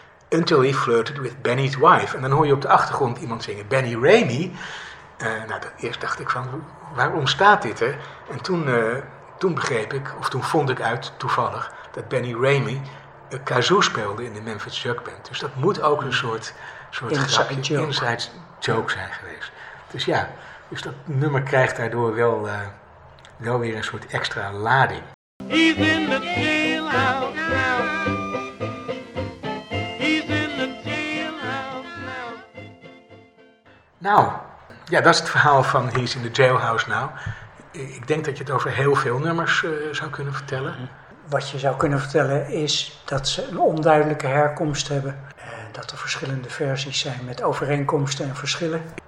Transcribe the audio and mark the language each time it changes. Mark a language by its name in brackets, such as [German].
[English] Until he flirted with Benny's wife. [Dutch] En dan hoor je op de achtergrond iemand zingen: Benny Rainey. Nou, eerst dacht ik van: waarom staat dit er? En toen begreep ik, of toen vond ik uit toevallig, dat Benny Rainey een kazoo speelde in de Memphis Jug Band. Dus dat moet ook een soort [English] inside [Dutch] joke zijn geweest. Dus ja, dus dat nummer krijgt daardoor wel weer een soort extra lading. [English] He's in the jailhouse now. He's in the jailhouse now. [Dutch] Nou, ja, dat is het verhaal van He's in the Jailhouse Now. Ik denk dat je het over heel veel nummers zou kunnen vertellen. Wat je zou kunnen vertellen is dat ze een onduidelijke herkomst hebben. Dat er verschillende versies zijn met overeenkomsten en verschillen.